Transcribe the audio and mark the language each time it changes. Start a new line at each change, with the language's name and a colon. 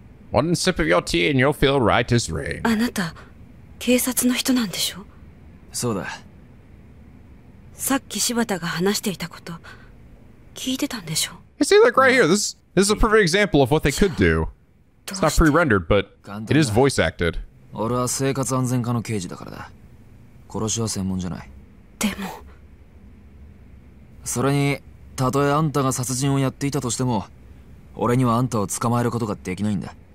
English: One sip of your tea and you'll feel right as rain.
Japanese: あなた、 警察の人なんでしょ? そうだ。さっき柴田が話していたこと、 聞いてたんでしょ?
English: You see, like right here, this is a perfect example of what they could do. It's not pre-rendered, but it is voice acted.
Japanese: 俺は生活安全課の刑事だからだ。殺しは専門じゃない。でも… それに、 たとえあんたが殺人をやっていたとしても、 俺にはあんたを捕まえることができないんだ。